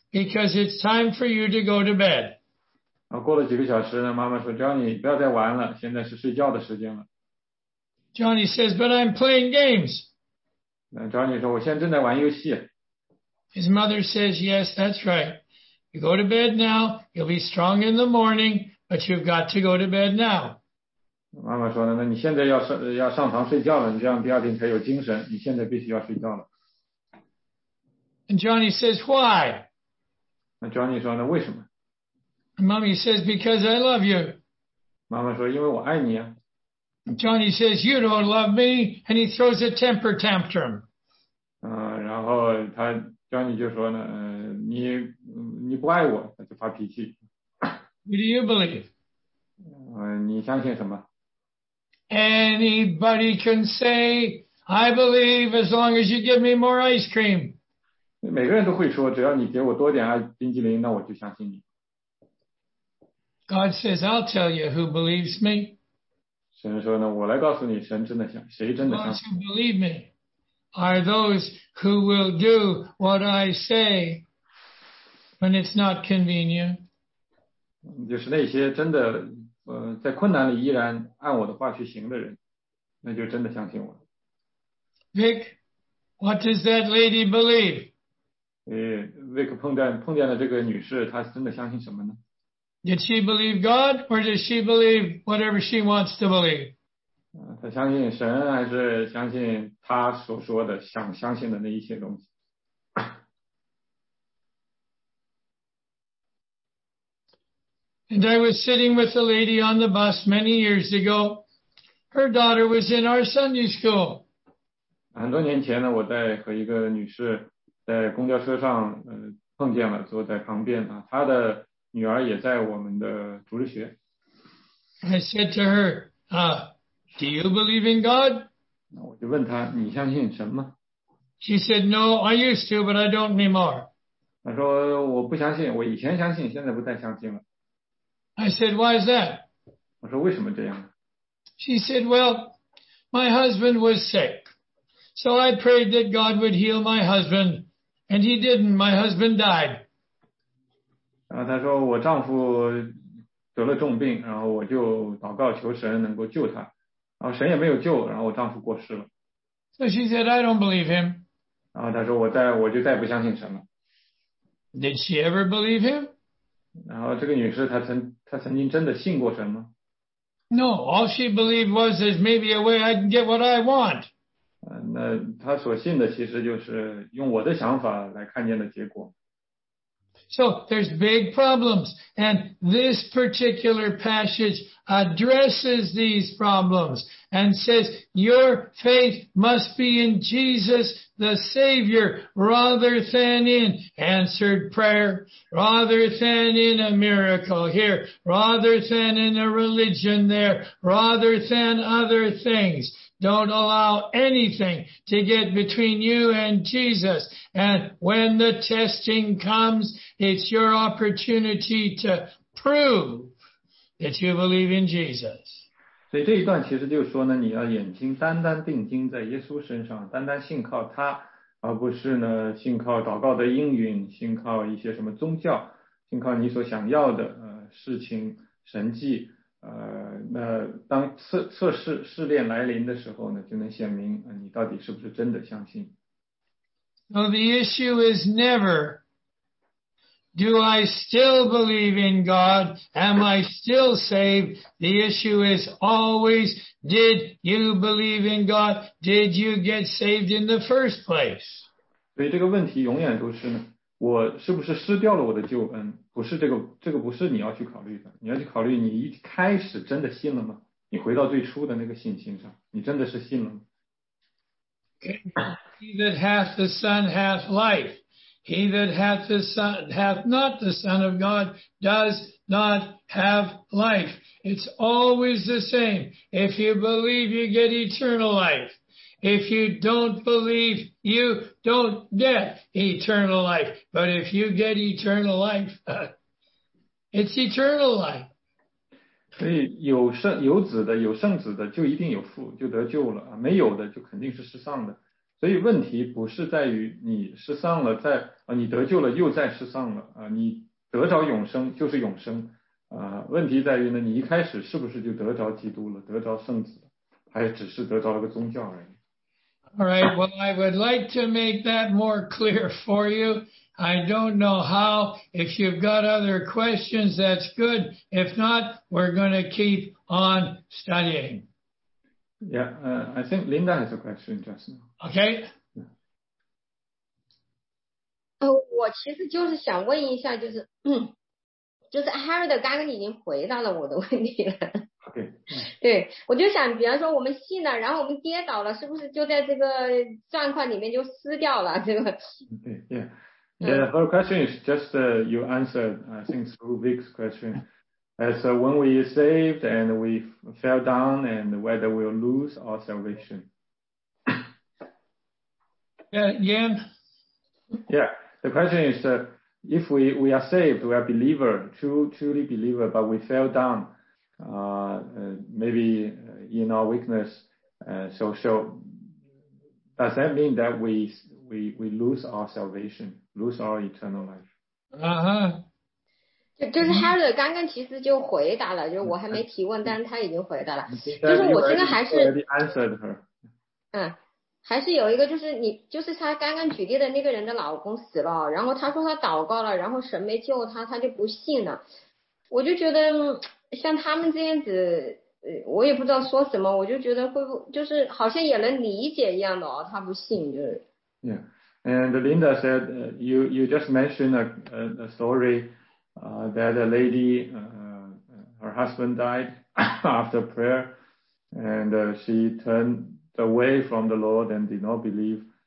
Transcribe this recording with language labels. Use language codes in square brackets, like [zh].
[en] Because it's time for you to go to bed. [zh] 过了几个小时呢，妈妈说 ,Johnny, 不要再玩了，现在是睡觉的时间了。 [en] Johnny says, but I'm playing games. [zh] Johnny 说我现在正在玩游戏。 [en] His mother says, yes, that's right. You go to bed now, you'll be strong in the morning, but you've got to go to bed now. [zh] 妈妈说呢，那你现在要上床睡觉了，你这样第二天才有精神，你现在必须要睡觉了。 [en] And Johnny says, why? [zh] 那 Johnny 说呢，为什么？ [en] Mommy says, because I love you. [zh] 妈妈说，因为我爱你啊。 [en] Johnny says, you don't love me, and he throws a temper tantrum. [zh] 然后他 Johnny 就说呢，你不爱我，他就发脾气。 [en] Who do you believe? [zh] 你相信什么？ [en] Anybody can say, I believe as long as you give me more ice cream. [zh] 每个人都会说，只要你给我多点冰激凌，那我就相信你。 [en] God says, I'll tell you who believes me. [zh] 神说呢，我来告诉你，神真的相，谁真的相信。 [en] Those who believe me are those who will do what I say when it's not convenient. [zh] 就是那些真的，在困难里依然按我的话去行的人，那就真的相信我。 [en] Vic, what does that lady believe? [zh] Vic 碰见了这个女士，她真的相信什么呢？ [en] Did she believe God or does she believe whatever she wants to believe? [zh] 她相信神还是相信她所说的想相信的那一些东西？ [en] And I was sitting with a lady on the bus many years ago. Her daughter was in our Sunday school. [zh] 很多年前呢，我在和一个女士在公交车上碰见了，坐在旁边，她的女儿也在我们的主日学。 [en] I said to her, do you believe in God? [zh] 我就问她，你相信神吗？ [en] She said, no, I used to, but I don't anymore. [zh] 她说，我不相信，我以前相信，现在不再相信了。 [en] I said, why is that? [zh] 我说，为什么这样？ [en] She said, well, my husband was sick. So I prayed that God would heal my husband, and he didn't. My husband died. [zh] 然后她说我丈夫得了重病，然后我就祷告求神能够救他，然后神也没有救，然后我丈夫过世了。 [en] So she said, I don't believe him. [zh] 然后她说我就再不相信神了。 [en] Did she ever believe him? [zh] 然后这个女士她曾经真的信过神吗？ [en] No, all she believed was there's maybe a way I can get what I want. [zh] 那他所信的其实就是用我的想法来看见的结果。 [en] So there's big problems, and this particular passage addresses these problems and says your faith must be in Jesus the Savior rather than in answered prayer, rather than in a miracle here, rather than in a religion there, rather than other things. Don't allow anything to get between you and Jesus. And when the testing comes, it's your opportunity to prove that you believe in Jesus. [zh] 所以这一段其实就是说呢，你要眼睛单单定睛在耶稣身上，单单信靠他，而不是呢信靠祷告的应允，信靠一些什么宗教，信靠你所想要的事情神迹。那当试炼来临的时候呢，就能显明你到底是不是真的相信。 [en] So the issue is never, do I still believe in God? Am I still saved? The issue is always, did you believe in God? Did you get saved in the first place? [zh] 所以这个问题永远都是呢，我是不是失掉了我的救恩？不是这个，这个不是你要去考虑的。你要去考虑，你一开始真的信了吗？你回到最初的那个信心上，你真的是信了吗 [en] ？He that hath the Son hath life. He that hath the Son hath not the Son of God does not have life. It's always the same. If you believe, you get eternal life. If you don't believe, you don't get eternal life. But if you get eternal life, it's eternal life. [zh] 所以有圣有子的有圣子的就一定有父就得救了，没有的就肯定是失丧的。所以问题不是在于你失丧了在你得救了又再失丧了，你得着永生就是永生，问题在于呢，你一开始是不是就得着基督了，得着圣子了，还只是得着了个宗教而已。 [en] All right, well, I would like to make that more clear for you. I don't know how. If you've got other questions, that's good. If not, we're going to keep on studying. Yeah, I think Linda has a question just now. Okay. [zh] 我其实就是想问一下，就是 Harold 刚刚已经回答了我的问题了。对, 对，我就想比方说我们信了然后我们跌倒了是不是就在这个状况里面就撕掉了这个对 [en] yeah, her question is just you answered I think through Vic's question as when we are saved and we fell down and whether we'll lose our salvation again yeah the question is if we are saved we are believer truly believer but we fell downmaybe in our weakness, does that mean that we lose our salvation, lose our eternal life? Uh-huh. [zh] 就是 Harry 刚刚其实就回答了，就我还没提问，但是他已经回答了。就是我现在还是。 [en] You already answered her. [zh] 还是有一个，就是你，就是他刚刚举例的那个人的老公死了，然后他说他祷告了，然后神没救他，他就不信了。我就觉得。像他们这样子我也不知道说什么我就觉得会不就是好像也能理解一样的哦他不信就是。 [en] Yeah. And Linda said, you just mentioned a story, that a lady, her husband died after prayer, and she turned away from the Lord and did not believe.